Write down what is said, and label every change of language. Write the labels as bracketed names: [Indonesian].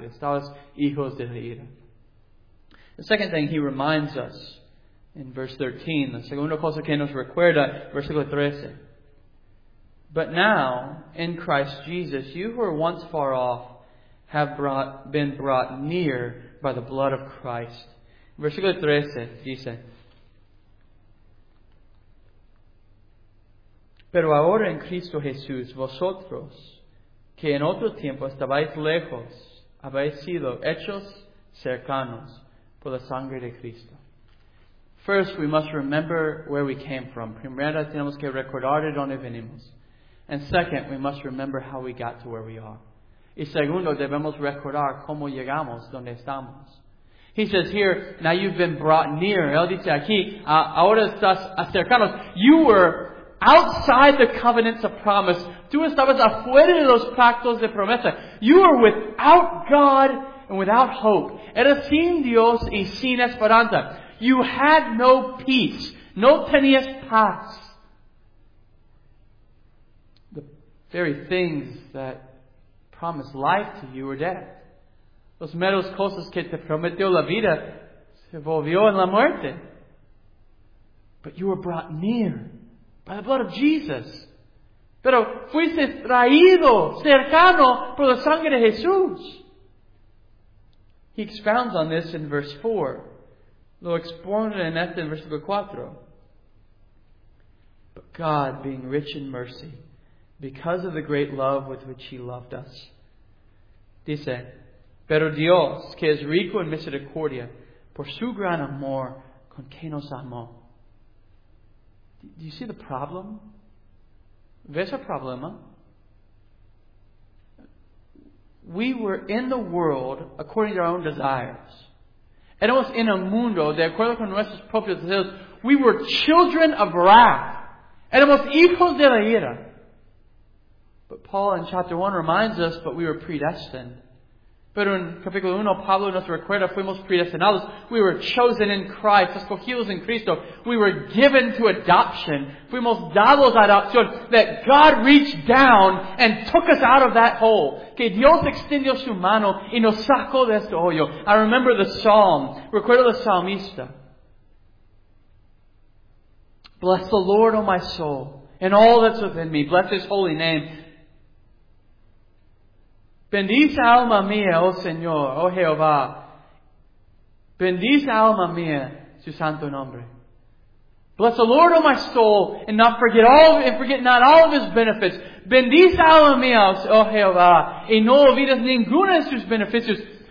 [Spanish] Estabas hijos de la ira. [English] The second thing he reminds us in verse 13. [Spanish] La segunda cosa que nos recuerda, versículo 13. [English] But now, in Christ Jesus, you who were once far off have been brought near by the blood of Christ. [Spanish] Versículo 13 dice, pero ahora en Cristo Jesús, vosotros, que en otro tiempo estabais lejos, habéis sido hechos cercanos por la sangre de Cristo. [English] First, we must remember where we came from. [Spanish] Primero, tenemos que recordar de dónde venimos. [English] And second, we must remember how we got to where we are. [Spanish] Y segundo, debemos recordar cómo llegamos donde estamos. [English] He says here, now you've been brought near. [Spanish] Él dice aquí, ahora estás acercados. [English] You were outside the covenants of promise. [Spanish] Tú estabas afuera de los pactos de promesa. [English] You were without God and without hope. [Spanish] Eras sin Dios y sin esperanza. [English] You had no peace. [Spanish] No tenías paz. [English] The very things that promised life to you or death. [Spanish] Los meros cosas que te prometió la vida se volvió en la muerte. [English] But you were brought near by the blood of Jesus. [Spanish] Pero fuiste traído cercano por la sangre de Jesús. [English] He expounds on this in verse 4. [Spanish] Lo expone en este en versículo 4. [English] But God, being rich in mercy, because of the great love with which He loved us, [Spanish] dice, pero Dios, que es rico en misericordia, por su gran amor, con que nos amó. [English] Do you see the problem? [Spanish] ¿Ves el problema? [English] We were in the world according to our own desires. [Spanish] Éramos en el mundo de acuerdo con nuestros propios deseos. [English] We were children of wrath. [Spanish] Éramos hijos de la ira. [English] But Paul in chapter 1 reminds us, but we were predestined. [Spanish] Pero en capítulo 1, Pablo nos recuerda, fuimos predestinados. [English] We were chosen in Christ, [Spanish] escogidos en Cristo. [English] We were given to adoption. [Spanish] Fuimos dados a adopción. [English] That God reached down and took us out of that hole. [Spanish] Que Dios extendió su mano y nos sacó de este hoyo. [English] I remember the psalm. [Spanish] Recuerdo el salmista. [English] Bless the Lord, O my soul, and all that's within me. Bless His holy name. [Spanish] Bendice alma mía, oh Señor, oh Jehová. Bendice alma mía, su santo nombre. [English] Bless the Lord, oh my soul, and not forget all, and forget not all of His benefits. [Spanish] Bendice alma mía, oh Jehová, y no olvides ninguna de sus beneficios.